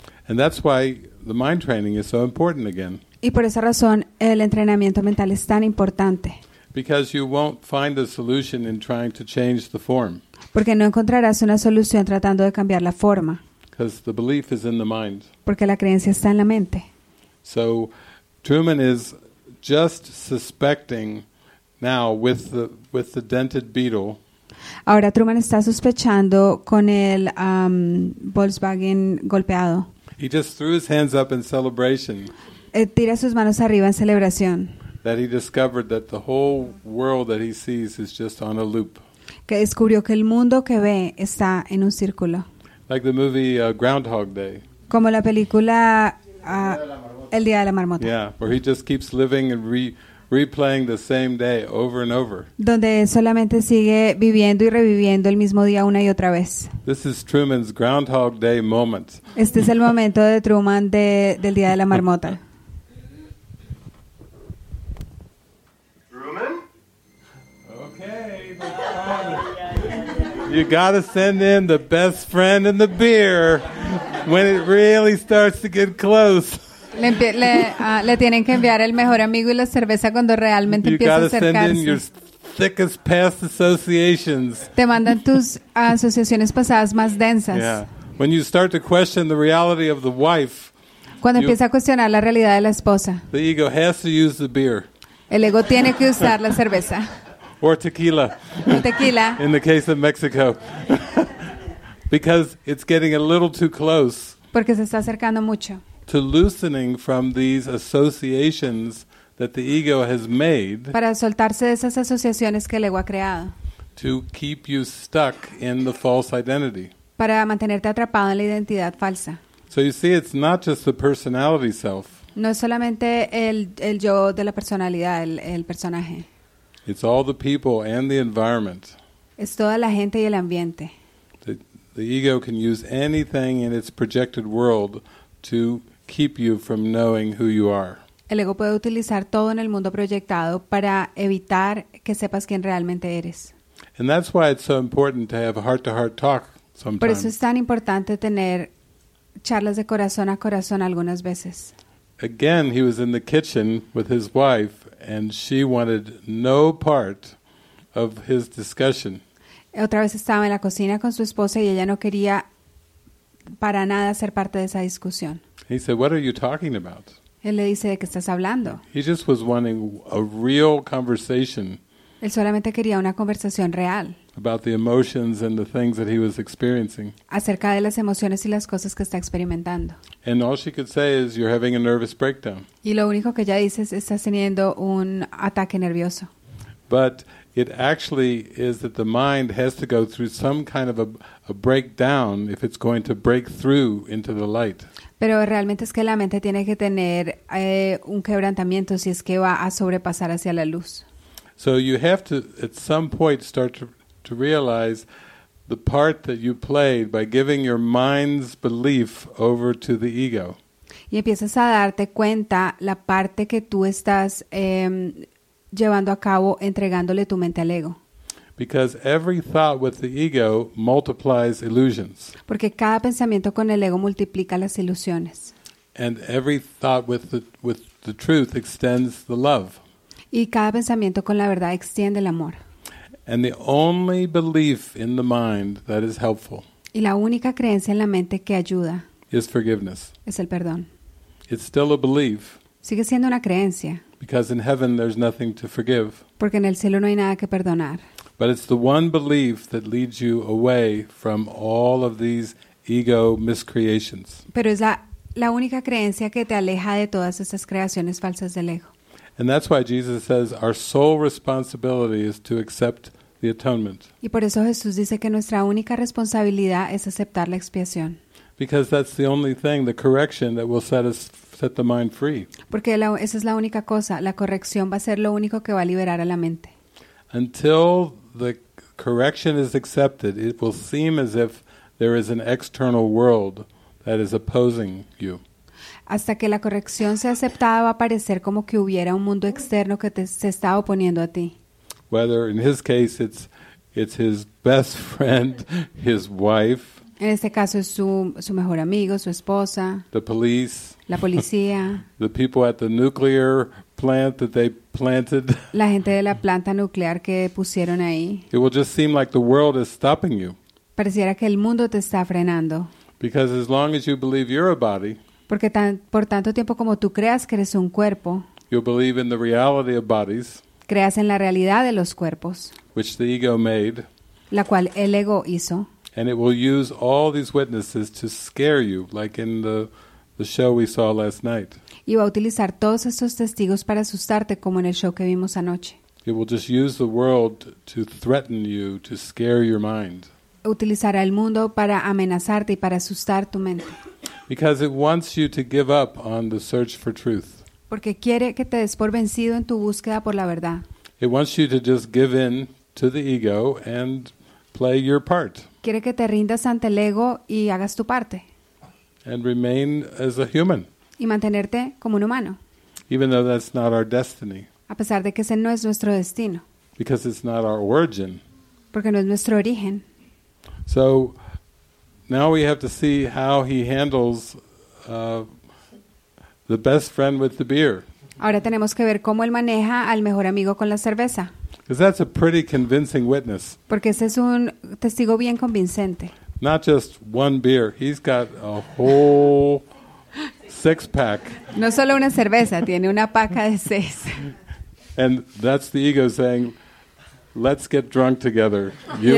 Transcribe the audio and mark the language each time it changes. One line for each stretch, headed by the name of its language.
English: And that's why the mind training is so important again.
Spanish: Y por esa razón, el entrenamiento mental es tan importante.
English: Because you won't find a solution in trying to change the form.
Spanish: Porque no encontrarás una solución tratando de cambiar la forma.
English: Because the belief is in the mind.
Spanish: Porque la creencia está en la mente.
English: So Truman is just suspecting now with the dented beetle.
Spanish: Ahora Truman está sospechando con el Volkswagen golpeado.
English: He just threw his hands up in celebration.
Spanish: Tira sus manos arriba en celebración.
English: That he discovered that the whole world that he sees is just on a loop.
Spanish: Que descubrió que el mundo que ve está en un círculo.
English: Like the movie Groundhog Day.
Spanish: Como la película El día de la marmota.
English: Yeah, where he just keeps living and replaying the same day over and over.
Spanish: Donde solamente sigue viviendo y reviviendo el mismo día una y otra vez.
English: This is Truman's Groundhog Day moment.
Spanish: Este es el momento de Truman del día de la marmota.
English: Truman? Okay, bye. You gotta send in the best friend and the beer when it really starts to get close.
Spanish: Le tienen que enviar el mejor amigo y la cerveza cuando realmente empieza a acercarse.
English: You gotta send in your thickest past associations.
Spanish: Te mandan tus asociaciones pasadas más densas.
English: Yeah. When you start to question the reality of the wife.
Spanish: Cuando empieza a cuestionar la realidad de la esposa.
English: The ego has to use the beer.
Spanish: El ego tiene que usar la cerveza.
English: Or tequila.
Spanish: O tequila.
English: In the case of Mexico. Because it's getting a little too close.
Spanish: Porque se está acercando mucho.
English: To loosening from these associations that the ego has made.
Spanish: Para soltarse de esas asociaciones que el ego ha creado.
English: To keep you stuck in the false identity.
Spanish: Para mantenerte atrapado en la identidad falsa.
English: So you see, it's not just the personality self.
Spanish: No es solamente el yo de la personalidad, el personaje.
English: It's all the people and the environment.
Spanish: Es toda la gente y el ambiente.
English: The ego can use anything in its projected world to keep you from knowing who you are.
Spanish: El ego puede utilizar todo en el mundo proyectado para evitar que sepas quién realmente eres.
English: And that's why it's so important to have a heart-to-heart talk sometimes.
Spanish: Por eso es tan importante tener charlas de corazón a corazón algunas veces.
English: Again, he was in the kitchen with his wife, and she wanted no part of his discussion.
Spanish: Otra vez estaba en la cocina con su esposa y ella no quería para nada ser parte de esa discusión.
English: He said, "What are you talking about?"
Spanish: Él le dice, ¿de qué estás hablando?
English: He just was wanting a real conversation.
Spanish: Él solamente quería una conversación real.
English: About the emotions and the things that he was experiencing.
Spanish: Acerca de las emociones y las cosas que está experimentando.
English: And all she could say is, "You're having a nervous breakdown."
Spanish: Y lo único que ella dice es, estás teniendo un ataque nervioso.
English: But it actually is that the mind has to go through some kind of a breakdown if it's going to break through into the light.
Spanish: Pero realmente es que la mente tiene que tener un quebrantamiento si es que va a sobrepasar hacia la luz.
English: So you have to, at some point, start to realize the part that you played by giving your mind's belief over to the ego.
Spanish: Y empiezas a darte cuenta la parte que tú estás llevando a cabo entregándole tu mente al ego.
English: Because every thought with the ego multiplies illusions.
Spanish: Porque cada pensamiento con el ego multiplica las ilusiones.
English: And every thought with the truth extends the love.
Spanish: Y cada pensamiento con la verdad extiende el amor.
English: And the only belief in the mind that is helpful.
Spanish: Y la única creencia en la mente que ayuda.
English: Is forgiveness.
Spanish: Es el perdón.
English: It's still a belief.
Spanish: Sigue siendo una creencia.
English: Because in heaven there's nothing to forgive.
Spanish: Porque en el cielo no hay nada que perdonar.
English: But it's the one belief that leads you away from all of these ego miscreations.
Spanish: Pero es la única creencia que te aleja de todas estas creaciones falsas del ego.
English: And that's why Jesus says our sole responsibility is to accept the atonement.
Spanish: Y por eso Jesús dice que nuestra única responsabilidad es aceptar la expiación.
English: Because that's the only thing, the correction that will set the mind free.
Spanish: Porque esa es la única cosa, la corrección va a ser lo único que va a liberar a la mente.
English: Until the correction is accepted, it will seem as if there is an external world that is opposing you.
Spanish: Hasta que la corrección sea aceptada, va a parecer como que hubiera un mundo externo que se está oponiendo a ti.
English: Whether in his case it's his best friend, his wife.
Spanish: En este caso es su mejor amigo, su esposa.
English: The police.
Spanish: La policía.
English: The people at the nuclear plant that they planted.
Spanish: La gente de la planta nuclear que pusieron ahí.
English: It will just seem like the world is stopping you.
Spanish: Pareciera que el mundo te está frenando.
English: Because as long as you believe you're a body,
Spanish: porque tan, por tanto tiempo como tú creas que eres un cuerpo,
English: you believe in the reality of bodies,
Spanish: creas en la realidad de los cuerpos,
English: which the ego made,
Spanish: la cual el ego hizo,
English: and it will use all these witnesses to scare you, like in the show we saw last night.
Spanish: Y va a utilizar todos estos testigos para asustarte, como en el show que vimos anoche.
English: It will just use the world to threaten you, to scare your mind.
Spanish: Utilizará el mundo para amenazarte y para asustar tu mente.
English: Because it wants you to give up on the search for truth.
Spanish: Porque quiere que te des por vencido en tu búsqueda por la verdad.
English: It wants you to just give in to the ego and play your part.
Spanish: Quiere que te rindas ante el ego y hagas tu parte.
English: And remain as a human.
Spanish: Y mantenerte como un humano.
English: Even though that's not our destiny.
Spanish: A pesar de que ese no es nuestro destino.
English: Because it's not our origin.
Spanish: Porque no es nuestro origen.
English: So now we have to see how he handles the best friend with the beer.
Spanish: Ahora tenemos que ver cómo él maneja al mejor amigo con la cerveza.
English: Because that's a pretty convincing witness.
Spanish: Porque ese es un testigo bien convincente.
English: Not just one beer. He's got a whole six pack.
Spanish: No solo una cerveza, tiene una paca de seis.
English: And that's the ego saying, let's get drunk together, you